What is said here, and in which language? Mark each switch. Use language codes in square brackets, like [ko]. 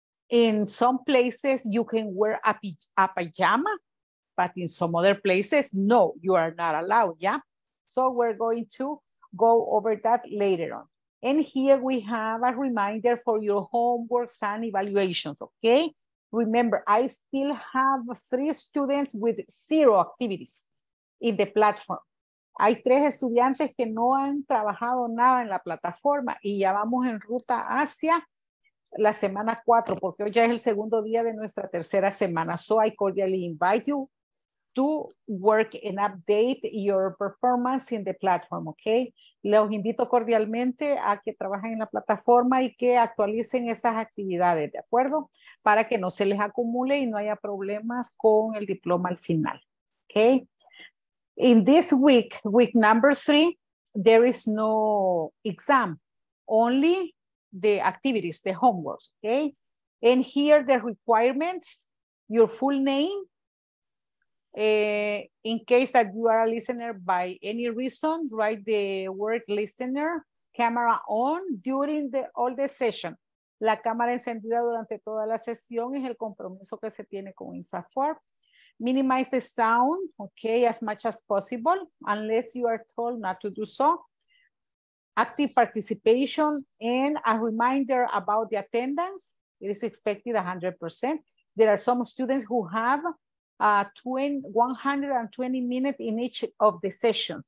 [en] In some places, you can wear a pajama, but in some other places, no, you are not allowed, yeah? So we're going to go over that later on. And here we have a reminder for your homeworks and evaluations, okay? Remember, I still have 3 students with 0 activities in the platform. [es] Hay 3 estudiantes que no han trabajado nada en la plataforma y ya vamos en ruta hacia la semana 4, porque hoy ya es el segundo día de nuestra tercera semana. [en] So I cordially invite you to work and update your performance in the platform, okay? [es] Los invito cordialmente a que trabajen en la plataforma y que actualicen esas actividades, ¿de acuerdo? Para que no se les acumule y no haya problemas con el diploma al final, okay? [en] In this week, week number 3, there is no exam, only the activities, the homeworks, okay? And here the requirements, your full name, in case that you are a listener by any reason, write the word listener, camera on during the all the session. [es] La cámara encendida durante toda la sesión es el compromiso que se tiene con INSAFOR. [en] Minimize the sound, okay, as much as possible, unless you are told not to do so. Active participation and a reminder about the attendance. It is expected 100%. There are some students who have 120 minutes in each of the sessions.